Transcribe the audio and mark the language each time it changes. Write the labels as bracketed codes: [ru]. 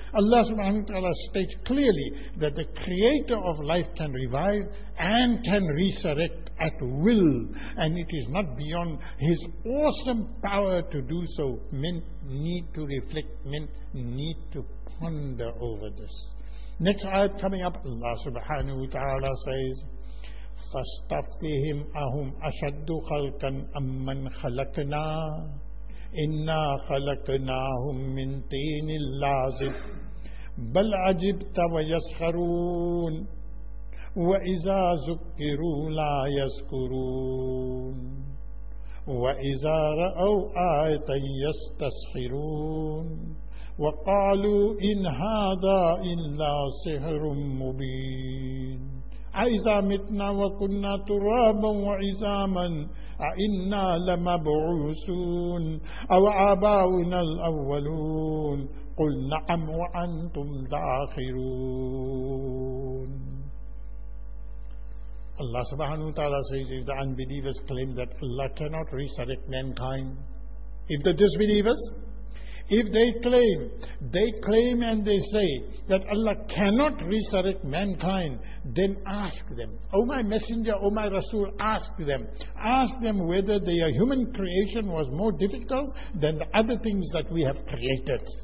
[en] Allah subhanahu wa ta'ala states clearly that the creator of life can revive and can resurrect at will, and it is not beyond his awesome power to do so. Men need to reflect, men need to ponder over this. Next ayat coming up, Allah subhanahu wa ta'ala says, [ar] فَاسْتَفْتِهِمْ أَهُمْ أَشَدُّ خَلْقًا أَمَّنْ خَلَقْنَا إِنَّا خَلَقْنَاهُمْ مِنْ تِينِ اللَّازِبِ بَلْ عَجِبْتَ وَيَسْخَرُونَ وَإِذَا ذُكِّرُوا لَا يَذْكُرُونَ وَإِذَا رَأَوْا آيَةً يَسْتَسْخِرُونَ وَقَالُوا إِنْ هَذَا إِلَّا سِحْرٌ مُبِينٌ أَإِذَا مِتْنَا وَكُنَّا تُرَابًا وَعِظَامًا أَإِنَّا لَمَبْعُوثُونَ أَوْ آبَاؤُنَا الْأَوَّلُونَ قُلْ نَعَمْ وَأَنْتُمْ دَاخِرُونَ. [en] Allah subhanahu wa ta'ala says, if the unbelievers claim that Allah cannot resurrect mankind, if the disbelievers, if they claim and they say that Allah cannot resurrect mankind, then ask them, O my Messenger, O my Rasul, ask them whether their human creation was more difficult than the other things that we have created.